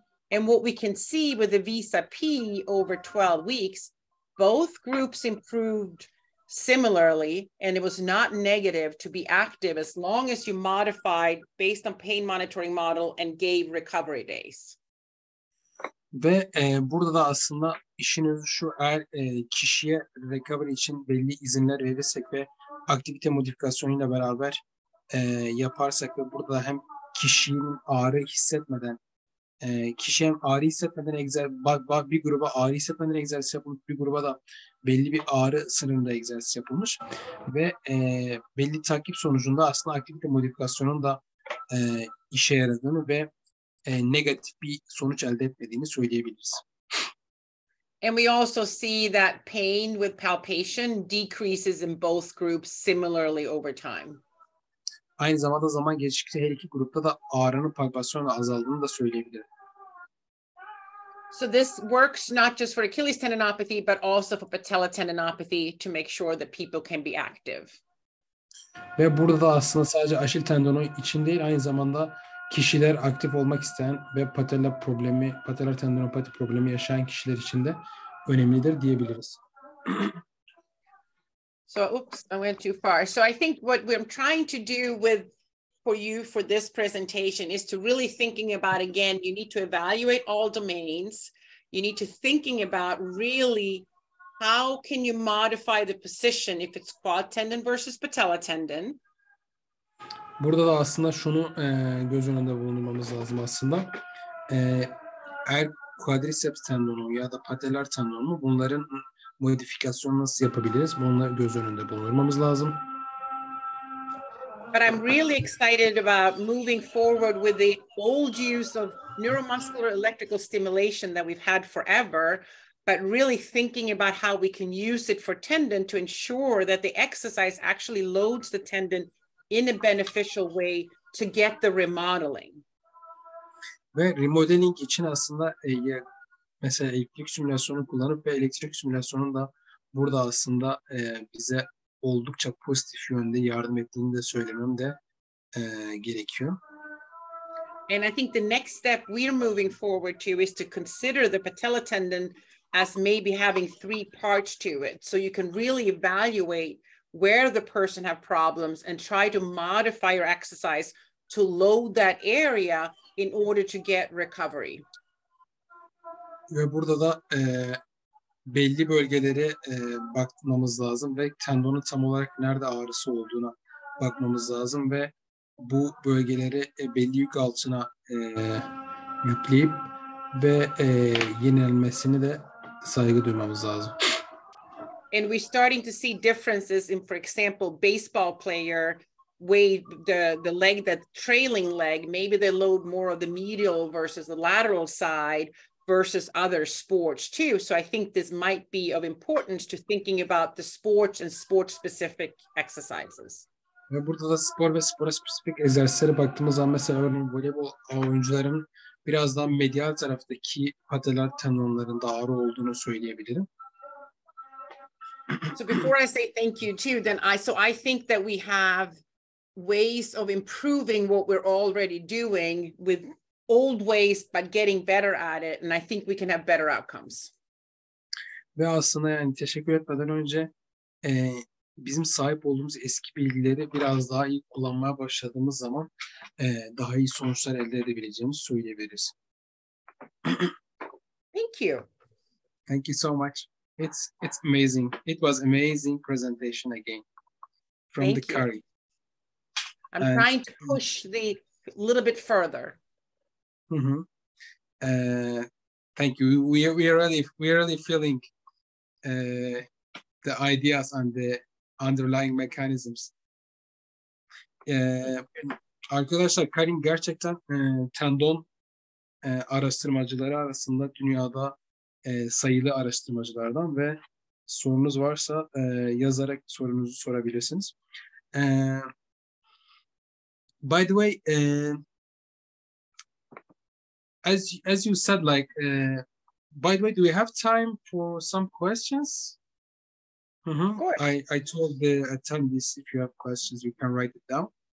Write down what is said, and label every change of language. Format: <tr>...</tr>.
<en>And what we can see with the VISA-P over 12 weeks, both groups improved similarly, and it was not negative to be active as long as you modified based on pain monitoring model and gave recovery days.</en> <tr>Ve burada da aslında işiniz şu, eğer kişiye recovery için belli izinler verirsek ve aktivite modifikasyonuyla beraber yaparsak ve burada da hem kişinin ağrı hissetmeden, kişiye ağrı hissetmeden egzersiz, bir gruba ağrı hissetmeden egzersiz yapılmış, bir gruba da belli bir ağrı sınırında egzersiz yapılmış ve belli takip sonucunda aslında aktivite modifikasyonunun da işe yaradığını ve negatif bir sonuç elde etmediğini söyleyebiliriz.</tr> <en>And we also see that pain with palpation decreases in both groups similarly over time.</en> <tr>Aynı zamanda zaman geçtikçe her iki grupta da ağrının palpasyonu azaldığını da söyleyebilirim.</tr> <en>So this works not just for Achilles tendinopathy but also for patella tendinopathy to make sure that people can be active.</en> <tr>Ve burada da aslında sadece aşil tendonu için değil, aynı zamanda kişiler aktif olmak isteyen ve patella problemi, patellar tendinopati problemi yaşayan kişiler için de önemlidir diyebiliriz.</tr> <en>So, oops, I went too far. So I think what we're trying to do with for you for this presentation is to really thinking about, again, you need to evaluate all domains. You need to thinking about really how can you modify the position if it's quad tendon versus patella tendon.</en> <tr>Burada da aslında şunu göz önünde bulundurmamız lazım aslında. Eğer quadriceps tendonu ya da patellar tendonu, bunların modifikasyonu nasıl yapabiliriz? Bunları göz önünde bulundurmamız lazım.</tr> <en>But I'm really excited about moving forward with the old use of neuromuscular electrical stimulation that we've had forever, but really thinking about how we can use it for tendon to ensure that the exercise actually loads the tendon in a beneficial way to get the remodeling.</en> <tr>Ve remodeling için aslında mesela elektrik simülasyonu kullanıp ve elektrik simülasyonun da burada aslında bize oldukça pozitif yönde yardım ettiğini de söylemem de gerekiyor.</tr> <en>And I think the next step we're moving forward to is to consider the patella tendon as maybe having three parts to it. So you can really evaluate where the person have problems and try to modify your exercise to load that area in order to get recovery.</en> <tr>Ve burada da belli bölgelere bakmamız lazım ve tendonun tam olarak nerede ağrısı olduğuna bakmamız lazım ve bu bölgeleri belli yük altına yükleyip ve yenilmesini de saygı duymamız lazım.</tr> <en>And we're starting to see differences in, for example, baseball player way the leg, the trailing leg, maybe they load more of the medial versus the lateral side versus other sports too. So I think this might be of importance to thinking about the sports and sport specific exercises.</en> <tr>Ve burada da spor ve spora spesifik egzersizlere baktığımız zaman mesela örneğin voleybol oyuncuların biraz daha medial taraftaki patellar tendonlarında ağrı olduğunu söyleyebilirim.</tr> <en>So before I say thank you too, then I think that we have ways of improving what we're already doing with old ways, but getting better at it, and I think we can have better outcomes.</en> <tr>Ve aslında yani teşekkür etmeden önce bizim sahip olduğumuz eski bilgileri biraz daha iyi kullanmaya başladığımız zaman daha iyi sonuçlar elde edebileceğimizi söyleyebiliriz.</tr> <en>Thank you. Thank you so much. It's amazing. It was amazing presentation again from Thank the Kari. I'm trying to push the little bit further. Mm-hmm. Thank you. We are really feeling the ideas and the underlying mechanisms.</en> <tr>Arkadaşlar, Karin gerçekten tendon araştırmacıları arasında dünyada sayılı araştırmacılardan ve sorunuz varsa yazarak sorunuzu sorabilirsiniz.</tr> <en>By the way, as you said, like, by the way, do we have time for some questions? Mm-hmm. Of course. I told the attendees if you have questions, you can write it down.</en>